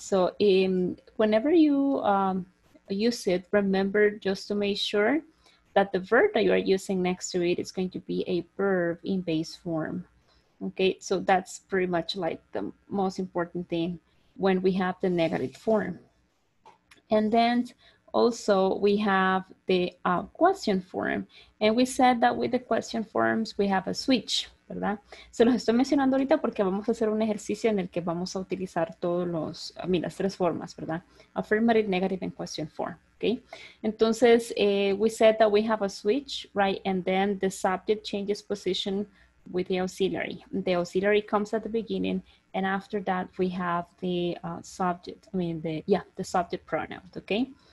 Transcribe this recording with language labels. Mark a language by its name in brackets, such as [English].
[English] So whenever you use it, remember just to make sure that the verb that you are using next to it is going to be a verb in base form. Okay, so that's pretty much like the most important thing when we have the negative form. And then also we have the question form. And we said that with the question forms, we have a switch, ¿verdad? [Spanish] Se los estoy mencionando ahorita porque vamos a hacer un ejercicio en el que vamos a utilizar todos los, [English] I mean, [Spanish] las tres formas, ¿verdad? [English] Affirmative, negative, and question form, okay? Entonces, we said that we have a switch, right? And then the subject changes position with the auxiliary. The auxiliary comes at the beginning, and after that we have the subject pronoun, okay?